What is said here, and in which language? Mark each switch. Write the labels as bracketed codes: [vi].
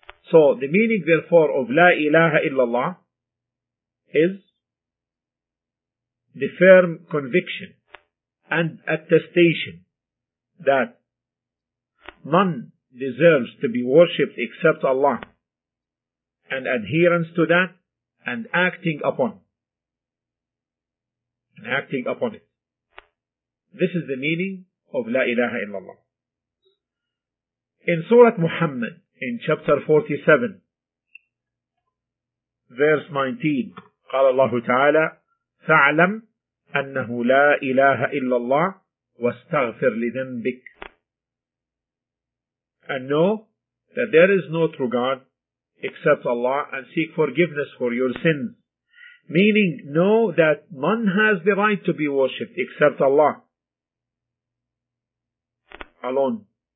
[en] So the meaning therefore of La ilaha illallah is the firm conviction and attestation that none deserves to be worshipped except Allah, and adherence to that, and acting upon it. This is the meaning of La ilaha illallah. In Surah Muhammad, in chapter 47, verse 19, [ar] قال الله تعالى فَعْلَمْ أَنَّهُ لَا إِلَهَ إِلَّا اللَّهُ وَاسْتَغْفِرْ لِذَنْبِكَ. [en] And know that there is no true God except Allah, and seek forgiveness for your sins. Meaning, know that none has the right to be worshipped except Allah alone.